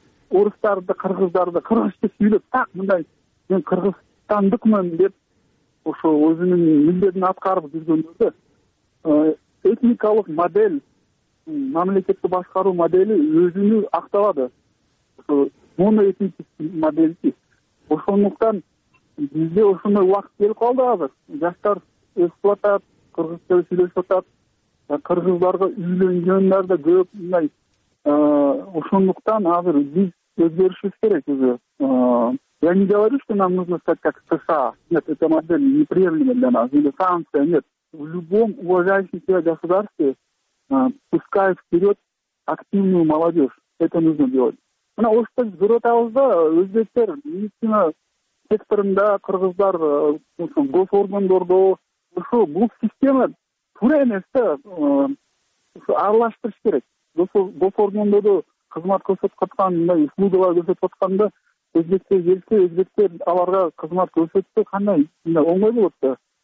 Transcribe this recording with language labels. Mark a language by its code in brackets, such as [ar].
[ky] Орустарды, кыргыздарды кыргызча сүйлөп, так мындай мен кыргызстандыкмын деп ошо өзүнүн милдетин аткарып жүргөндөрдө этникалык модель, мамлекетти башкаруу модели өзүнү актабады, ошо моноэтникист модельчи. Ошондуктан бизде ошондой убакыт келип калды. Азыр жаштар өсүп атат, кыргызча сүйлөшүп атат, кыргыздарга үйлөнгөндөр да көп. Мындай ошондуктан азыр биз өзгөрүшүбүз керек. [ru] Өзү я не говорю, что нам нужно стать как США, нет, эта модель неприемлема для нас, или Франция, нет. В любом уважающем себя государстве пускают вперед активную молодежь, это нужно делать. [ky] Мына Ошто жүрөтабыз да, өзбектер медицина секторунда, кыргыздар госоргондордо. Ушу бул система туура эмес да, ушу аралаштырыш керек. Госоргондордо кызмат көрсөтүп аткан, мындай услугалар көрсөтүп атканда өзбектер келсе, өзбектер аларга кызмат көрсөтсө кандай мындай оңой болот да.